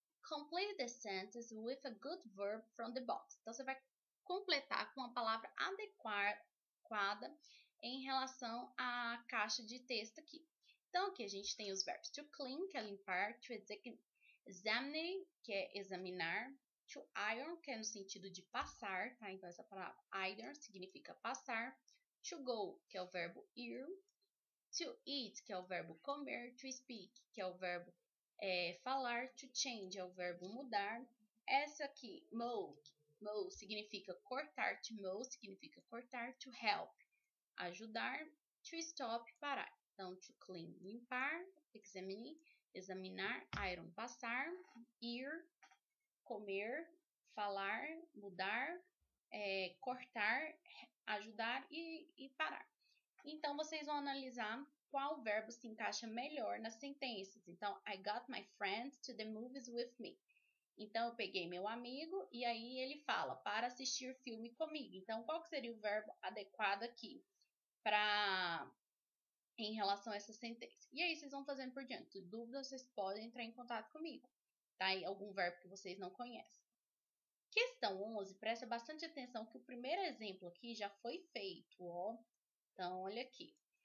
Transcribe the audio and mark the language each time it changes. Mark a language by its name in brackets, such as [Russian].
[English] Complete the sentence with a good verb from the box. [Portuguese] Então, você vai completar com a palavra adequada em relação à caixa de texto aqui. Então, aqui a gente tem os verbos to clean, que é limpar, to examine. Examine, que é examinar. To iron, que é no sentido de passar, tá? Então, essa palavra iron significa passar. To go, que é o verbo ir. To eat, que é o verbo comer. To speak, que é o verbo falar. To change, é o verbo mudar. Essa aqui, mow significa cortar. To mow significa cortar. To help, ajudar. To stop, parar. Então, to clean, limpar. Examine. Examinar, iron, passar, ir, comer, falar, mudar, cortar, ajudar e parar. Então, vocês vão analisar qual verbo se encaixa melhor nas sentenças. [English] Então, I got my friend to the movies with me. [Portuguese] Então, eu peguei meu amigo e aí ele fala para assistir filme comigo. Então, qual que seria o verbo adequado aqui para... em relação a essa sentença. E aí, vocês vão fazendo por diante. Dúvidas, vocês podem entrar em contato comigo. Tá aí algum verbo que vocês não conhecem. Questão 11, presta bastante atenção que o primeiro exemplo aqui já foi feito, ó. Então, olha aqui.